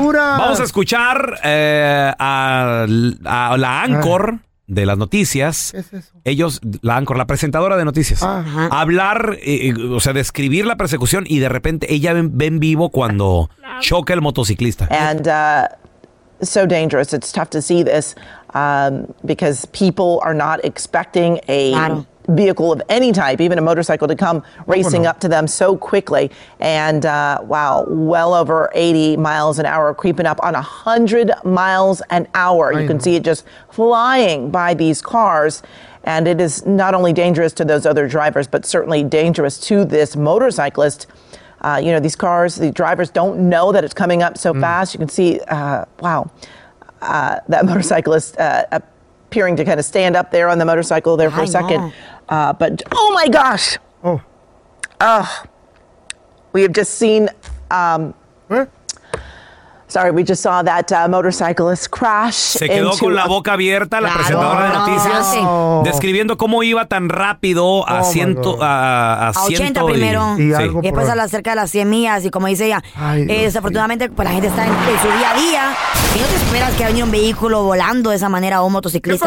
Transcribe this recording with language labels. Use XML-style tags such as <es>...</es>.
<es>Vamos a escuchar a la anchor de las noticias. ¿Qué es eso? Ellos, la anchor, la presentadora de noticias. Ajá. Hablar, o sea, describir la persecución y de repente ella ve en vivo cuando choca el motociclista.</es> <en>And, so dangerous. It's tough to see this because people are not expecting a vehicle of any type, even a motorcycle, to come racing up to them so quickly. And wow, well over 80 miles an hour, creeping up on 100 miles an hour. You can see it just flying by these cars. And it is not only dangerous to those other drivers, but certainly dangerous to this motorcyclist. You know, these cars, the drivers don't know that it's coming up so fast. You can see, that motorcyclist appearing to kind of stand up there on the motorcycle there for a second. But, oh my gosh. We have just seen, we just saw that motorcyclist crash.</en> <es>Se quedó con la boca abierta la presentadora de noticias. Describiendo cómo iba tan rápido a 100. A 80 primero. Y después a la cerca de las 100 millas. Y como dice ella, desafortunadamente, pues la gente está en su día a día. Y no te esperas que haya un vehículo volando de esa manera o un motociclista.</es>